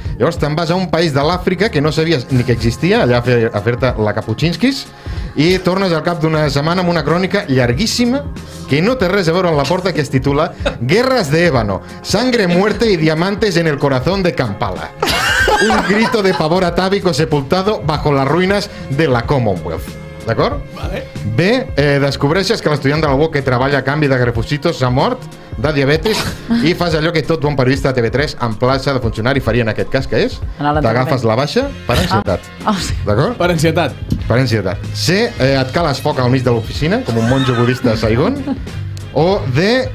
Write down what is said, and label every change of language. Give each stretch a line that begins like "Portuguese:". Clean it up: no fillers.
Catalan: Llavors te'n vas a un país de l'Àfrica que no sabies ni que existia, allà a fer-te la Kapuscinskis, i tornes al cap d'una setmana amb una crònica llarguíssima que no té res a veure amb la porta, que es titula
Spanish: Guerras de Ébano, sangre, muerte y diamantes en el corazón de Kampala. Un grito de pavor atávico sepultado bajo las ruinas de la Commonwealth.
Catalan: D'acord? Vale. B. Descobreixes que l'estudiant de la UOC que treballa a canvi de grefusitos s'ha mort de diabetes i fas allò que tot bon periodista de TV3 en plaça de funcionari faria en aquest cas, que és t'agafes la baixa per ansietat. D'acord? Per ansietat. Per ansietat. C. Et cales foc al mig de l'oficina com un monjo budista de Saigon. O D.